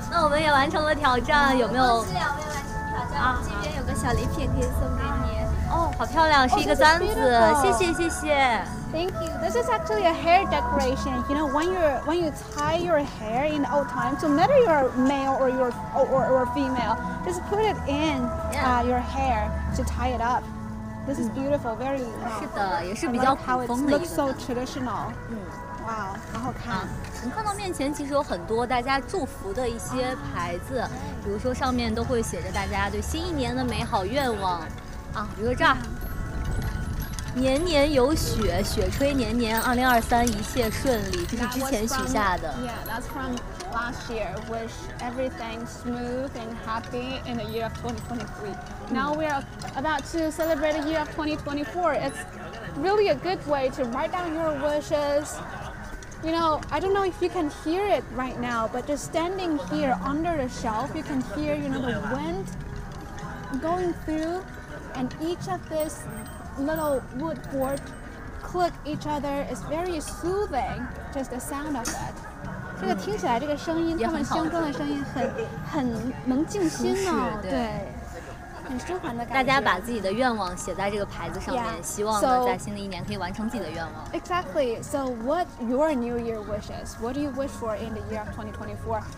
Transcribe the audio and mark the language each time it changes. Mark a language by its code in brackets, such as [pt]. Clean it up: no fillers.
[zh] 那我们也完成了挑战，有没有？恭喜两位完成挑战。这边有个小礼品可以送给你。哦，好漂亮，是一个簪子，谢谢谢谢。 [en] Thank you. This is actually a hair decoration. You know, when you tie your hair in the old time, so matter you're male or you're female, just put it in your hair to tie it up. This is beautiful, very. [zh] 是的，也是比较古风的一个。 [en] Looks so traditional. [zh] 嗯，哇，好好看。能看到面前其实有很多大家祝福的一些牌子，比如说上面都会写着大家对新一年的美好愿望。啊，比如说这儿。年年有雪，雪吹年年，2023一切顺利，这是之前许下的。 [en] Yeah, that's from last year. Wish everything smooth and happy in the year of 2023. Now we are about to celebrate the year of 2024. It's really a good way to write down your wishes. You know, I don't know if you can hear it right now, but just standing here under the shelf, you can hear, you know, the wind going through and each of this little wood board click each other is very soothing, just the sound of it. [zh] 这个听起来这个声音，他们相中的声音很能静心呢，对，很舒缓的感觉。大家把自己的愿望写在这个牌子上面，希望呢在新的一年可以完成自己的愿望。 [en] Exactly. So what your New Year wishes? What do you wish for in the year of 2024?